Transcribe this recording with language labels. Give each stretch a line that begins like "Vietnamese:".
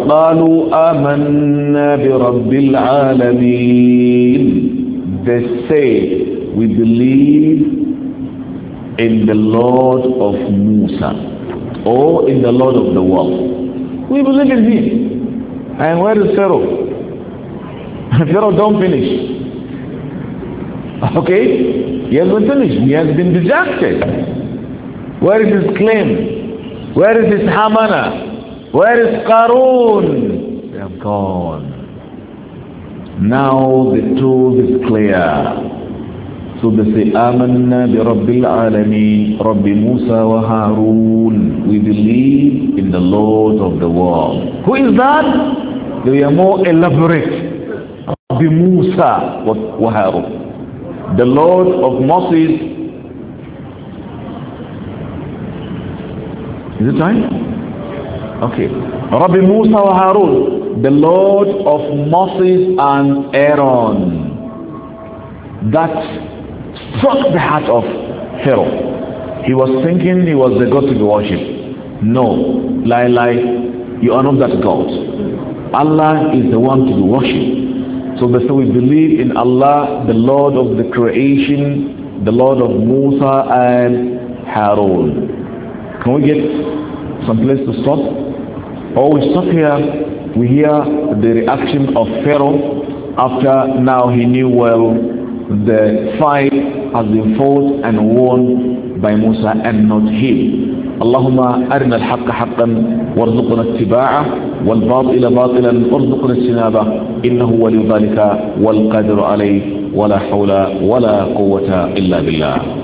Arabic: قالوا آمنا برب العالمين.
English: They say, we believe in the Lord of Musa, or in the Lord of the world. We believe in him. And where is Pharaoh? Pharaoh don't finish. Okay? He has been finished. He has been dejected. Where is his claim? Where is his Hamana? Where is Qarun? They have gone. Now the truth is clear. So they say,
Arabic: آمنا برب العالمين رب موسى وهارون.
English: We believe in the Lord of the world. Who is that? They are more elaborate.
Arabic: رب موسى وهارون.
English: The Lord of Moses. Is it time? Okay.
Arabic: رب موسى وهارون.
English: The Lord of Moses and Aaron. That struck the heart of Pharaoh. He was thinking he was the god to be worshipped. No, lie, you are not that god. Allah is the one to be worshipped. So therefore we believe in Allah, the Lord of the creation, the Lord of Musa and Harun. Can we get some place to stop? Or we stop here, we hear the reaction of Pharaoh after now he knew well the fight has been fought and won by Musa and not him.
Arabic: اللهم أرنا الحق حقا وارزقنا اتباعه والباطل باطلا وارزقنا اجتنابه إنه ولي ذلك والقدر عليه ولا حول ولا قوة إلا بالله.